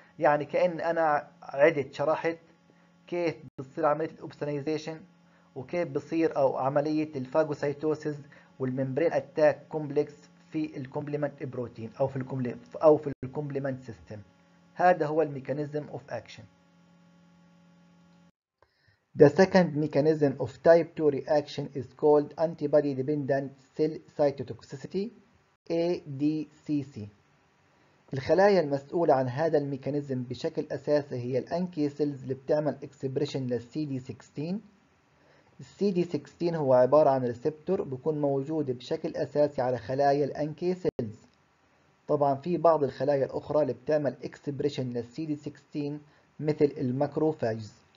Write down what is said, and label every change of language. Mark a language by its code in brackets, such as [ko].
[ar] يعني كان انا عدت شرحت كيف بتصير عمليه الاوبسونيزيشن، وكيف بصير او عمليه الفاجوسايتوسيس والممبرين اتاك كومبلكس في الكومبلمنت بروتين او في الكومبلمنت سيستم. هذا هو [en] الميكانيزم of action. The second mechanism of type 2 reaction is called antibody dependent cell cytotoxicity ADCC. [ar] الخلايا المسؤولة عن هذا الميكانيزم بشكل أساسي هي الـ NK cells اللي بتعمل expression للـ CD16. CD16 هو عبارة عن receptor بيكون موجود بشكل أساسي على خلايا الـ NK cells. طبعاً في بعض الخلايا الأخرى اللي بتعمل expression للـ CD16 مثل الماكروفاجز.